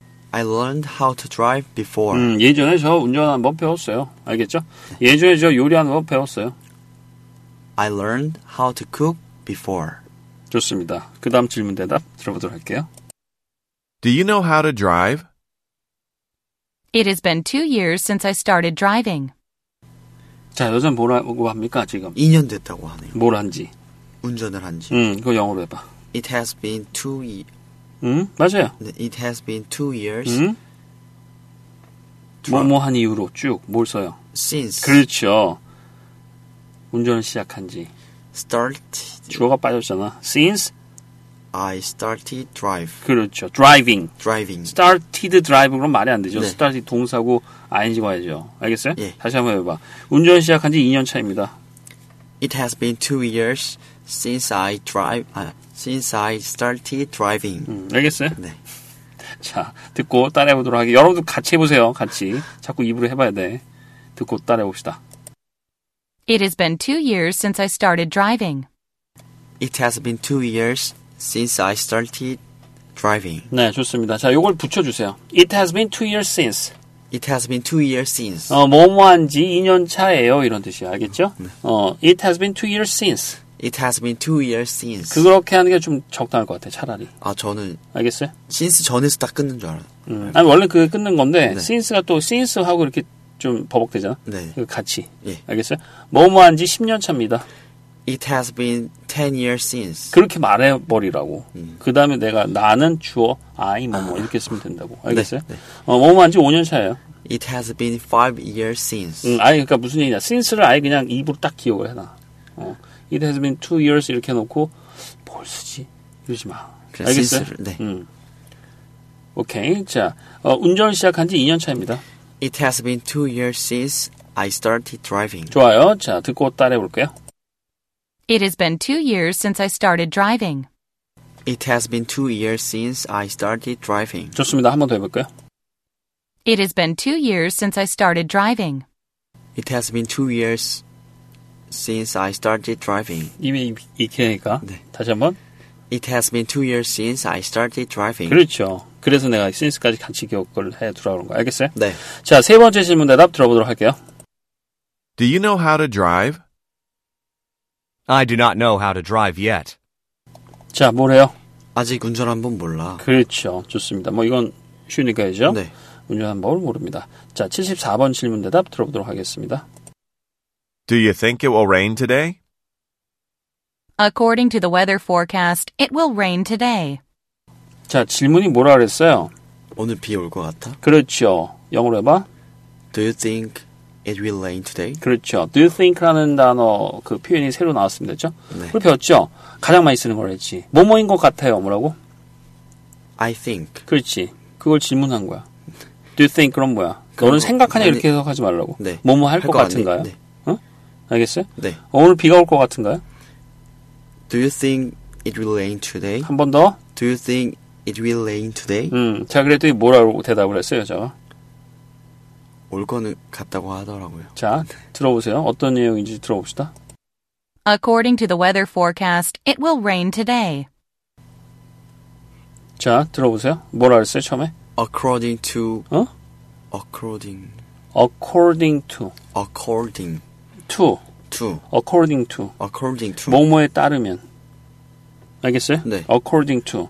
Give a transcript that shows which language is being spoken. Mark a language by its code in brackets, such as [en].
[en] I learned how to drive before. [ko] 예전에 저 운전하는 법 배웠어요. 알겠죠? 예전에 저 요리하는 법 배웠어요. [en] I learned how to cook before. [ko] 좋습니다. 그 다음 질문 대답 들어보도록 할게요. Do you know how to drive? It has been 2 years since I started driving. 자, 요즘 뭐라고 합니까, 지금? 2년 됐다고 하네요. 뭘 한지. 운전을 한지. 그거 영어로 해봐. [en] It has been 2 years. [ko] 맞아요. [en] It has been 2 years. [ko] 뭐뭐 한 이후로 쭉 뭘 써요? [en] Since. [ko] 그렇죠. 운전을 시작한 지. [en] Started. [ko] 주어가 빠졌잖아. Since [en] I started drive. [ko] 그렇죠. Driving. [en] Driving. Started drive [ko] 그럼 말이 안 되죠. 네. Started 동사고 ing 와야죠. 알겠어요? 예. 다시 한번 해봐. 운전 시작한 지 2년 차입니다. [en] It has been 2 years since I drive. Since I started driving. [ko] 알겠어요? 네. 자, 듣고 따라해 보도록 하겠습니다. 여러분도 같이 해보세요. 같이. 자꾸 입으로 해봐야 돼. 듣고 따라해 봅시다. [en] It has been 2 years since I started driving. It has been 2 years since I started driving. [ko] 네, 좋습니다. 자, 요걸 붙여주세요. [en] It has been 2 years since. It has been 2 years since. [ko] 뭐뭐한 지 2년 차예요. 이런 뜻이에요. 알겠죠? 네. [en] It has been 2 years since. It has been 2 years since. [ko] 그렇게 하는 게 좀 적당할 것 같아, 차라리. 아, 저는. 알겠어요? Since 전에서 딱 끊는 줄 알아요. 아니, 원래 그게 끊는 건데, 네. since가 또 since하고 이렇게 좀 버벅대잖아. 네. 같이. 예. 알겠어요? 뭐뭐한 지 10년 차입니다. [en] It has been 10 years since. [ko] 그렇게 말해버리라고. 그 다음에 내가 나는 주어 I 뭐뭐 이렇게 쓰면 된다고. 알겠어요? 네. 네. 뭐뭐한 지 5년 차예요. [en] It has been 5 years since. [ko] 아니, 그러니까 무슨 얘기냐. since를 아예 그냥 입으로 딱 기억을 해놔. [en] It has been 2 years [ko] 이렇게 해놓고 뭘 쓰지? 이러지 마. 그래, 알겠어요? Since를, 네. [en] 오케이. [ko] 자, 운전 시작한 지 2년 차입니다. [en] It has been 2 years since I started driving. [ko] 좋아요. 자, 듣고 따라해 볼게요. [en] It has been 2 years since I started driving. It has been 2 years since I started driving. [ko] 좋습니다. 한 번 더 해 볼까요? [en] It has been 2 years since I started driving. It has been 2 years since I started driving. [ko] 이미 익히니까. 네. 다시 한번. It has been 2 years since I started driving. 그렇죠. 그래서 내가 since까지 같이 기억을 해 두라고 그런 거 알겠어요? 네. 자, 세 번째 질문 대답 들어보도록 할게요. [en] Do you know how to drive? I do not know how to drive yet. [ko] 자, 뭐래요? 아직 운전 한번 몰라. 그렇죠. 좋습니다. 뭐 이건 쉬우니까죠? 네. 운전 한번 모릅니다. 자, 74번 질문 대답 들어보도록 하겠습니다. Do you think it will rain today? According to the weather forecast, it will rain today. 자, 질문이 뭐라 그랬어요? 오늘 비 올 것 같아? 그렇죠. 영어로 해봐. [en] Do you think it will rain today? [ko] 그렇죠. [en] Do you think [ko] 라는 단어, 그 표현이 새로 나왔습니다. 그죠? 네. 그걸 배웠죠? 가장 많이 쓰는 걸 했지. 뭐뭐인 것 같아요. 뭐라고? [en] I think. [ko] 그렇지. 그걸 질문한 거야. [en] Do you think, [ko] 그럼 뭐야? 너는 생각하냐? 이렇게 해석하지 말라고. 네. 뭐뭐 할 것 같은가요? 네. 응? 알겠어요? 네. 오늘 비가 올 것 같은가요? [en] Do you think it will rain today? [ko] 한 번 더. [en] Do you think it will rain today? [ko] 자, 그래도 뭐라고 대답을 했어요, 저? 올 거는 같다고 하더라고요. 자, 들어보세요. 어떤 내용인지 들어봅시다. [en] According to the weather forecast, it will rain today. [ko] 자, 들어보세요. 뭐라고 했어요, 처음에? [en] According to... [ko] 어? [en] According... according to. According to. To. According to. According to. [ko] 뭐뭐에 따르면. 알겠어요? 네. [en] According to.